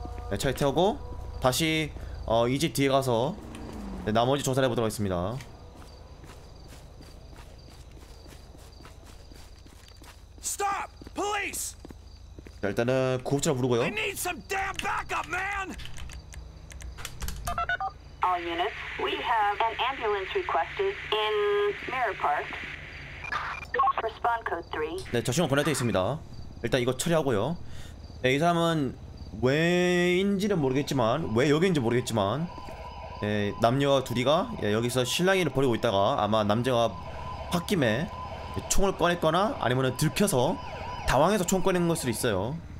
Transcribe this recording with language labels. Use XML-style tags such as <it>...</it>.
<ko>네, 차에 태우고 다시 이 집 뒤에 가서 네, 나머지 조사를 해보도록 하겠습니다.</ko> <en>스톱! 폴리스!</en> <ko>자 일단은 구급차 부르고요.</ko> <en>I need some damn backup, man! All units, we have an ambulance requested in Mirror Park. Respond code 3.</en> <ko>네, 저신호 보내드리고 있습니다. 일단 이거 처리하고요. 네, 이 사람은 왜인지는 모르겠지만 왜 여기인지 모르겠지만 예, 남녀 둘이가 예, 여기서 실랑이를 벌이고 있다가 아마 남자가 홧김에 총을 꺼냈거나 아니면은 들켜서 당황해서 총 꺼낸 것일 수 있어요.</ko>